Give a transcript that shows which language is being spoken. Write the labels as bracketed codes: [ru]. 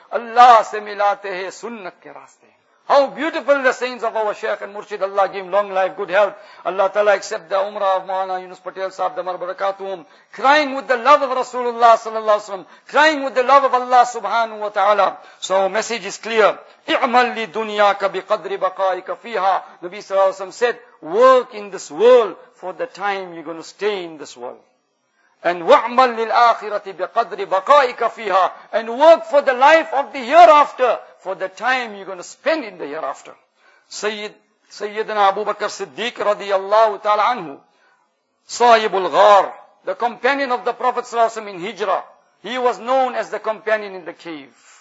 [ur] Allah se milate hai sunnat ke raaste. [en] How beautiful the sayings of our Shaykh and Murshid. Allah give him long life, good health. Allah Ta'ala accept the Umrah of Maulana Yunus Patel Sahab, Damar Barakatuhum. Crying with the love of Rasulullah Sallallahu Alaihi Wasallam. Crying with the love of Allah Subhanahu Wa Ta'ala. So message is clear. [ar] اعمل لدنياك بقدر بقائك فيها. [en] Nabi Sallallahu Alaihi Wasallam said, work in this world for the time you're going to stay in this world. [ar] And وَعْمَلْ لِلْآخِرَةِ بِقَدْرِ بَقَائِكَ فِيهَا. [en] And work for the life of the hereafter, for the time you're going to spend in the hereafter. Sayyidina Abu Bakr Siddiq radiyallahu ta'ala anhu, Sahibul Ghar, the companion of the Prophet sallallahu alayhi wa sallam in Hijrah, he was known as the companion in the cave.